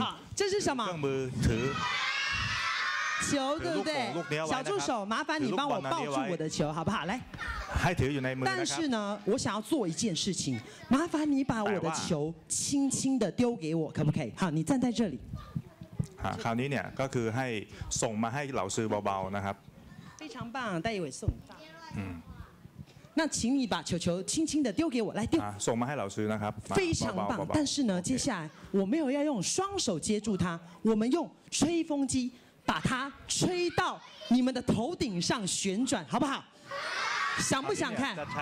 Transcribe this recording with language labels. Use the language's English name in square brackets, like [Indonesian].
[Chinese] 好这是什么球对不对小助手麻烦你帮我抱住我的球好不好来但是呢我想要做一件事情麻烦你把我的球轻轻的丢给我可不可以好你站在这里 [Thai] คราวนี้เนี่ยก็คือให้ส่งมาให้เหล่าซื้อเบาๆนะครับ [Chinese] 非常棒戴伟送那请你把球球轻轻的丢给我来丢 [Thai] ส่งมาให้เหล่าซื้อนะครับ [Chinese] 非常棒但是呢接下来我没有要用双手接住它我们用吹风机把它吹到你们的头顶上旋转，好不好？想不想看？